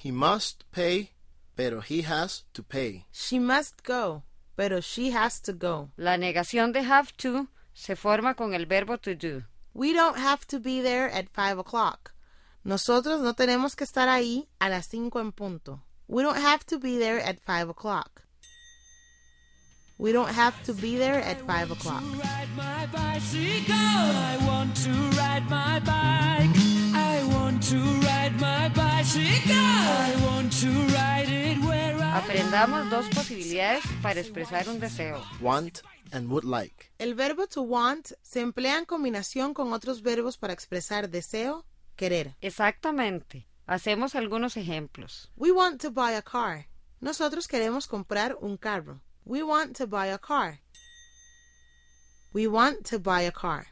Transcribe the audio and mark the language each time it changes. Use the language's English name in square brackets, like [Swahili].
[English] He must pay, pero he has to pay. She must go, pero she has to go. [Spanish] La negación de have to se forma con el verbo to do. [English] We don't have to be there at 5 o'clock. [Spanish] Nosotros no tenemos que estar ahí a las 5 en punto. [English] We don't have to be there at 5 o'clock. We don't have to be there at 5 o'clock. I want to ride my bicycle. I want to ride my bike. I want to ride my bicycle. I want to ride it where I. [Spanish] Aprendamos dos posibilidades para expresar un deseo. [English] Want and would like. [Spanish] El verbo to want se emplea en combinación con otros verbos para expresar deseo, querer. Exactamente. Hacemos algunos ejemplos. [English] We want to buy a car. [Spanish] Nosotros queremos comprar un carro. [English] We want to buy a car. We want to buy a car.